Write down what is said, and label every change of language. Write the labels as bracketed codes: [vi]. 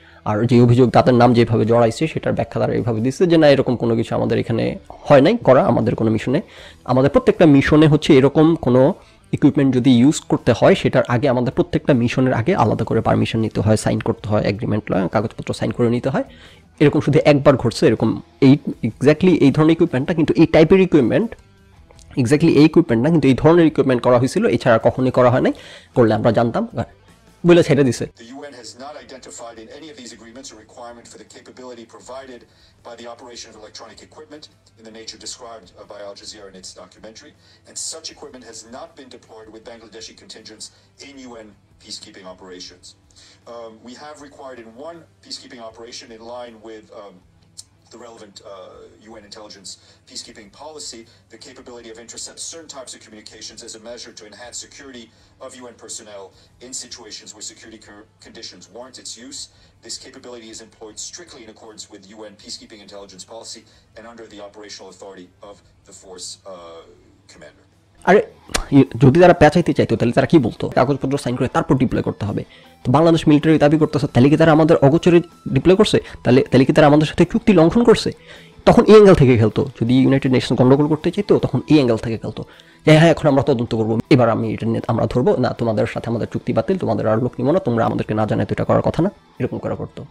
[bn] আর যে অভিযোগ তাদের নাম যেভাবে জড়াইছে সেটার ব্যাখ্যা তারা এইভাবে দিচ্ছে যে না এরকম কোনো কিছু আমাদের এখানে হয় নাই করা, আমাদের কোনো মিশনে, আমাদের প্রত্যেকটা মিশনে হচ্ছে এরকম কোনো ইকুইপমেন্ট যদি ইউজ করতে হয় সেটার আগে আমাদের প্রত্যেকটা মিশনের আগে আলাদা করে পারমিশন নিতে হয়, সাইন করতে হয় এগ্রিমেন্ট, কাগজপত্র সাইন করে নিতে হয়, এরকম শুধু একবার ঘটছে এরকম এই এক্স্যাক্টলি এই ধরনের ইকুইপমেন্টটা, কিন্তু এই টাইপের ইকুইপমেন্ট এক্স্যাক্টলি এই ইকুইপমেন্ট না, কিন্তু এই ধরনের ইকুইপমেন্ট করা হয়েছিল, এছাড়া কখনোই করা হয় নাই, করলে আমরা জানতাম বলে ছেড়ে দিছে। [en] The UN has not identified in any of these agreements a requirement for the capability provided by the operation of electronic equipment in the nature described by Al Jazeera in its documentary, and such equipment has not been deployed with Bangladeshi contingents in UN peacekeeping operations. We have required in one peacekeeping operation in line with the relevant UN intelligence peacekeeping policy the capability of intercept certain types of communications as a measure to enhance security of UN personnel in situations where security conditions warrant its use. This capability is employed strictly in accordance with UN peacekeeping intelligence policy and under the operational authority of the force commander. [bn] আরে যদি তারা পেঁচাইতে চাইতো তাহলে তারা কী বলতো, কাগজপত্র sign করে তারপর ডিপ্লয় করতে হবে। তো বাংলাদেশ মিলিটারি দাবি করতেছে তাহলে কি তারা আমাদের অগোচরে ডিপ্লয় করছে, তাহলে কি তারা আমাদের সাথে চুক্তি লঙ্ঘন করছে? তখন এই অ্যাঙ্গেল থেকে খেলতো, যদি ইউনাইটেড নেশন গণ্ডগোল করতে চাইতো তখন এই অ্যাঙ্গেল থেকে খেলতো। হ্যাঁ এখন আমরা তদন্ত করবো, এবার আমি এটা নিয়ে আমরা ধরবো না, তোমাদের সাথে আমাদের চুক্তি বাতিল, তোমাদের আর লোক নিবো না, তোমরা আমাদেরকে না জানাই তো এটা করার কথা না, এরকম করা করতো।